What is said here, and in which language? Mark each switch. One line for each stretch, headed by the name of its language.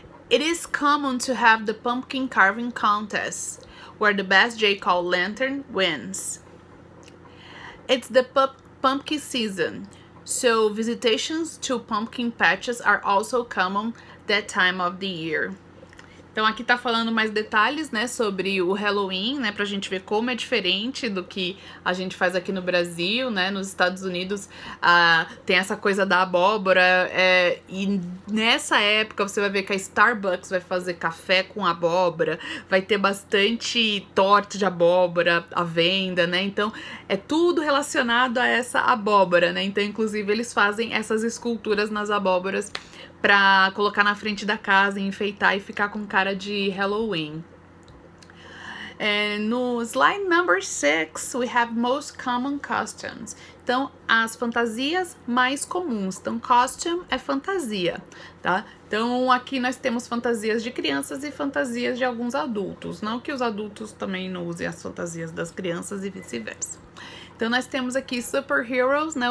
English: It is common to have the pumpkin carving contest, where the best jack-o'-lantern wins. It's the pumpkin season, so visitations to pumpkin patches are also common that time of the year.
Portuguese: Então aqui tá falando mais detalhes, né, sobre o Halloween, né, pra gente ver como é diferente do que a gente faz aqui no Brasil, né, nos Estados Unidos, tem essa coisa da abóbora, e nessa época você vai ver que a Starbucks vai fazer café com abóbora, vai ter bastante torta de abóbora à venda, né, então é tudo relacionado a essa abóbora, né, então inclusive eles fazem essas esculturas nas abóboras, pra colocar na frente da casa, enfeitar e ficar com cara de Halloween.
English: No slide number 6, we have most common costumes.
Portuguese: Então, as fantasias mais comuns. Então, costume é fantasia, tá? Então, aqui nós temos fantasias de crianças e fantasias de alguns adultos. Não que os adultos também não usem as fantasias das crianças e vice-versa. Então, nós temos aqui superheroes, né?